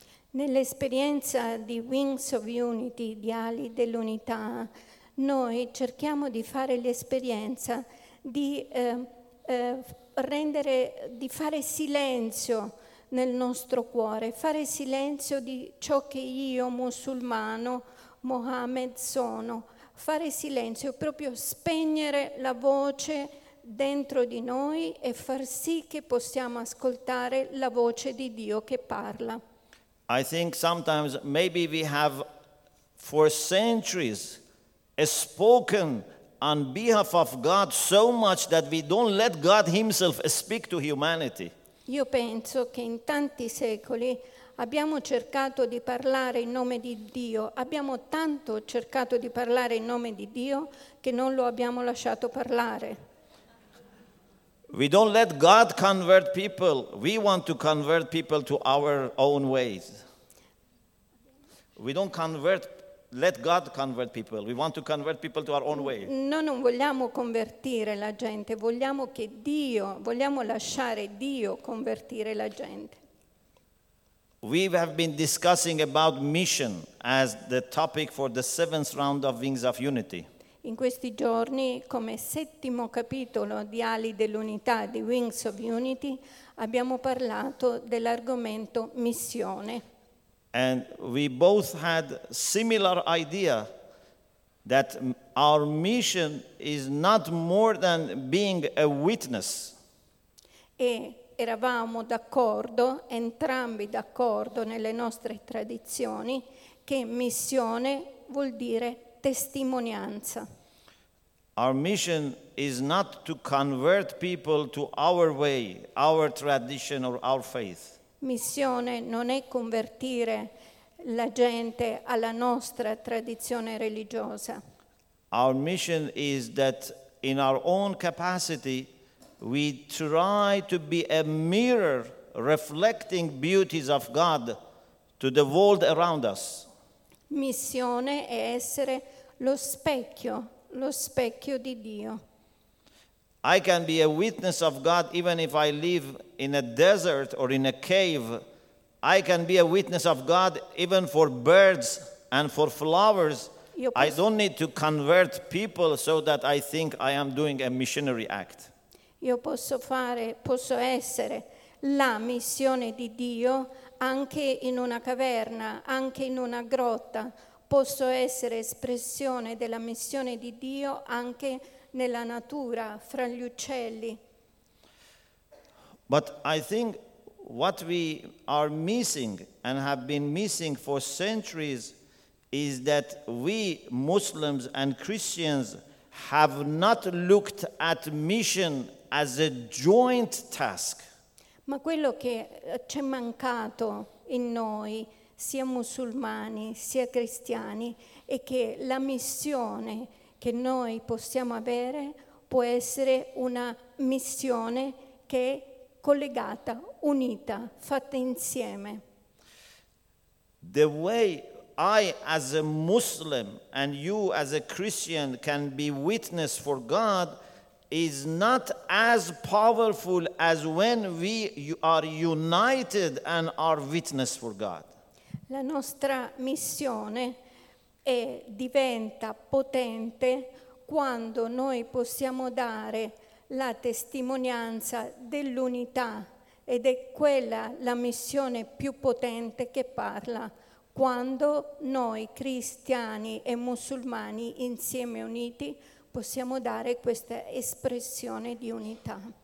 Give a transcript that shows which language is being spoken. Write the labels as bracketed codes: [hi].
[it] Nell'esperienza di Wings of Unity, di Ali dell'Unità, noi cerchiamo di fare l'esperienza di rendere, di fare silenzio nel nostro cuore, fare silenzio di ciò che io, musulmano, Mohammed, sono, fare silenzio, proprio spegnere la voce dentro di noi e far sì che possiamo ascoltare la voce di Dio che parla. [en] I think sometimes maybe we have for centuries spoken on behalf of God so much that we don't let God himself speak to humanity. [it] Io penso che in tanti secoli abbiamo cercato di parlare in nome di Dio, abbiamo tanto cercato di parlare in nome di Dio che non lo abbiamo lasciato parlare. [en] We don't let God convert people, we want to convert people to our own ways. We don't convert, let God convert people, we want to convert people to our own way. [it] Noi non vogliamo convertire la gente, vogliamo che Dio, vogliamo lasciare Dio convertire la gente. [en] We have been discussing about mission as the topic for the seventh round of Wings of Unity. [it] In questi giorni, come settimo capitolo di Ali dell'Unità, di Wings of Unity, abbiamo parlato dell'argomento missione. [en] And we both had similar idea that our mission is not more than being a witness. [it] E eravamo d'accordo, entrambi d'accordo nelle nostre tradizioni, che missione vuol dire testimonianza. [en] Our mission is not to convert people to our way, our tradition or our faith. [it] Missione non è convertire la gente alla nostra tradizione religiosa. [en] Our mission is that in our own capacity we try to be a mirror reflecting beauties of God to the world around us. [it] Missione è essere lo specchio di Dio. [en] I can be a witness of God even if I live in a desert or in a cave. I can be a witness of God even for birds and for flowers. I don't need to convert people so that I think I am doing a missionary act. [it] Io posso fare, posso essere la missione di Dio anche in una caverna, anche in una grotta. Posso essere espressione della missione di Dio anche nella natura, fra gli uccelli. [en] But I think what we are missing and have been missing for centuries is that we Muslims and Christians have not looked at mission as a joint task. [it] Ma quello che c'è mancato in noi, sia musulmani sia cristiani, è che la missione che noi possiamo avere può essere una missione che è collegata, unita, fatta insieme. [en] The way I as a Muslim and you as a Christian can be witness for God is not as powerful as when we are united and are witness for God. [it] La nostra missione è, diventa potente quando noi possiamo dare la testimonianza dell'unità, ed è quella la missione più potente che parla quando noi cristiani e musulmani insieme uniti possiamo dare questa espressione di unità.